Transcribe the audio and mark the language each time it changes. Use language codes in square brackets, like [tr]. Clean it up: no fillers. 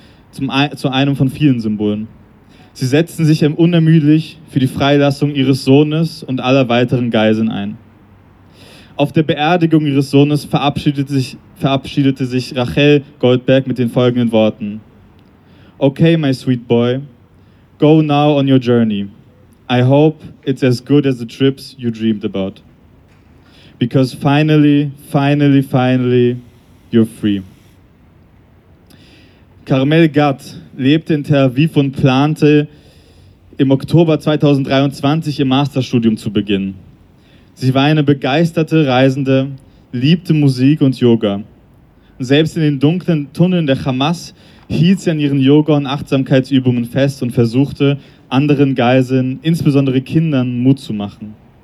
[de] Zu einem von vielen Symbolen. Sie setzten sich unermüdlich für die Freilassung ihres Sohnes und aller weiteren Geiseln ein. Auf der Beerdigung ihres Sohnes verabschiedete sich Rachel Goldberg mit den folgenden Worten: [en] "Okay, my sweet boy, go now on your journey. I hope it's as good as the trips you dreamed about. Because finally, finally, finally, you're free." [de] Carmel Gatt lebte in Tel Aviv und plante, im Oktober 2023 ihr Masterstudium zu beginnen. Sie war eine begeisterte Reisende, liebte Musik und Yoga. Selbst in den dunklen Tunneln der Hamas hielt sie an ihren Yoga- und Achtsamkeitsübungen fest und versuchte, anderen Geiseln, insbesondere Kindern, Mut zu machen.